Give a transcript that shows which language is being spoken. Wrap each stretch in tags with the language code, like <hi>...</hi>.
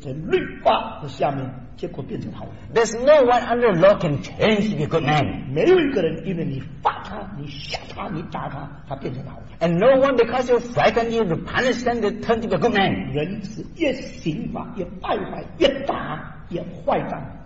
<zh>天下没有一个人在律法的下面，结果变成好人。</zh> <en>There's no one under law can change a good man.</en> <zh>没有一个人因为你罚他，你吓他，你打他，他变成好人。</zh> <en>And no one because you frighten him, you punish them, they turn to be a good man.</en> <zh>人是越刑罚越败坏，越打越坏蛋。</zh>